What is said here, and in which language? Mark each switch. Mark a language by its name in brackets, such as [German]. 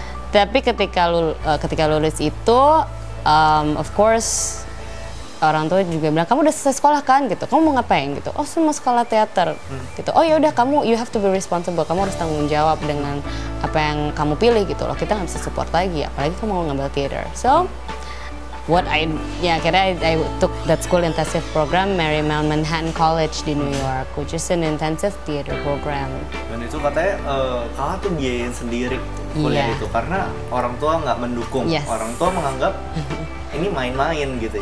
[Indonesian] Tapi ketika lulus itu, [English] of course [Indonesian] orang tua juga bilang, kamu udah selesai sekolah kan gitu, kamu mau ngapain gitu. Oh saya mau sekolah teater gitu, oh yaudah kamu, [English] you have to be responsible, [Indonesian] kamu harus tanggung jawab dengan apa yang kamu pilih gitu loh, kita gak bisa support lagi, apalagi kamu mau ngambil theater. [English] So, I took that school intensive program, Marymount Manhattan College di New York, which is an intensive theater program. [Indonesian] Dan itu katanya kakak tuh biayain sendiri kuliah itu, karena orang tua nggak mendukung, orang tua menganggap ini main-main gitu.